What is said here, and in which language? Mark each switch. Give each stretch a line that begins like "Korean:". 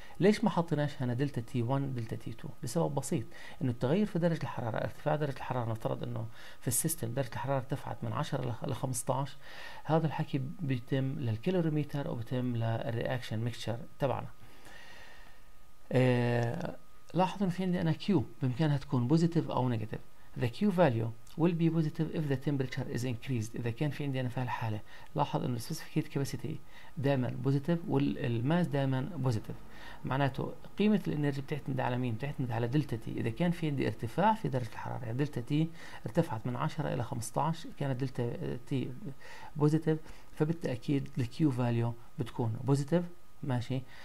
Arabic: ليش ما حطيناش هنا دلتا T1 دلتا T2؟ لسبب بسيط، انه التغير في درجة الحرارة، ارتفاع درجة الحرارة، نفترض انه في السيستم درجة الحرارة ارتفعت من 10 ل 15، هذا الحكي بيتم للكيلوريمتر وبيتم للرياكشن ميكشر تبعنا. لاحظوا في عندي انا كيو بامكانها تكون بوزيتيف او نيجاتيف.
English: The Q value will be positive if the temperature is increased.
Arabic: إذا كان في عندي أنا في هالحالة، لاحظ إنه specific heat capacity دائما positive والماس دائما positive. معناته قيمة الإنرجي بتعتمد على مين؟ بتعتمد على دلتا T. إذا كان في عندي ارتفاع في درجة الحرارة، يعني دلتا T ارتفعت من 10 إلى 15، كانت دلتا T positive، فبالتأكيد the Q value بتكون positive، ماشي.